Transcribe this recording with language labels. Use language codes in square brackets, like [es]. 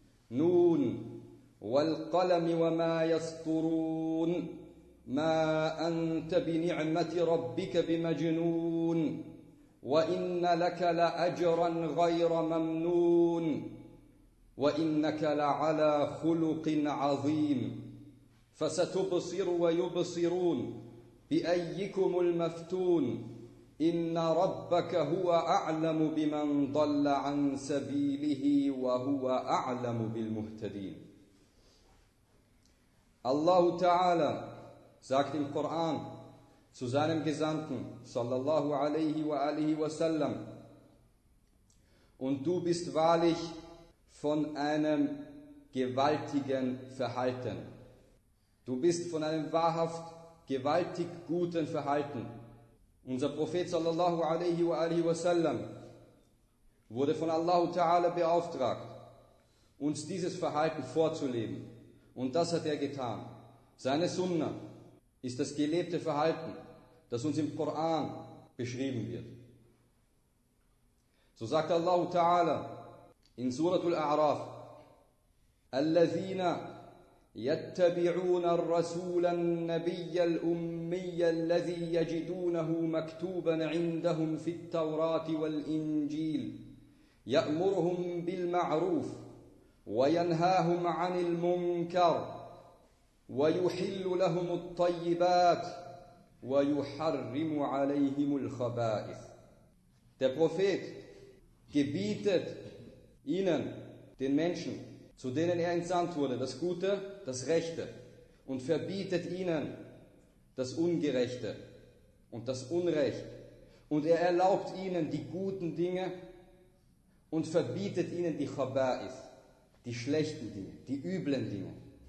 [ar] نون: والقلم وما يسطرون، ما أنت بنعمة ربك بمجنون، وإن لك لأجرا غير ممنون، وإنك لعلى خلق عظيم. فستبصر ويبصرون بأيكم المفتون، إن ربك هو أعلم بمن ضل عن سبيله وهو أعلم بالمهتدين. [de] الله تعالى sagt im Koran zu seinem Gesandten sallallahu alaihi wa alihi wa sallam: und du bist wahrlich von einem gewaltigen Verhalten. Du bist von einem wahrhaft gewaltig guten Verhalten. Unser Prophet sallallahu alaihi wa alihi wa sallam wurde von Allah ta'ala beauftragt, uns dieses Verhalten vorzuleben. Und das hat er getan. Seine Sunna ist das gelebte Verhalten, das uns im Koran beschrieben wird. So sagt Allah ta'ala in Surah Al-A'raf: [ar] الَّذِينَ يَتَّبِعُونَ الرَّسُولَ النَّبِيَّ الْأُمِّيَّ الَّذِي يَجِدُونَهُ مَكْتُوبًا عِنْدَهُمْ فِي التَّوْرَاةِ وَالْإِنْجِيلِ يَأْمُرُهُمْ بِالْمَعْرُوفِ وَيَنْهَاهُمْ عَنِ الْمُنْكَرِ ويحل لهم الطيبات ويحرم عليهم الخبائث. [de] Der Prophet gebietet ihnen, den Menschen, zu denen er entsandt wurde, das Gute, das Rechte, und verbietet ihnen das Ungerechte und das Unrecht, und er erlaubt ihnen die guten Dinge und verbietet ihnen die Khabaith, die schlechten Dinge, die üblen Dinge.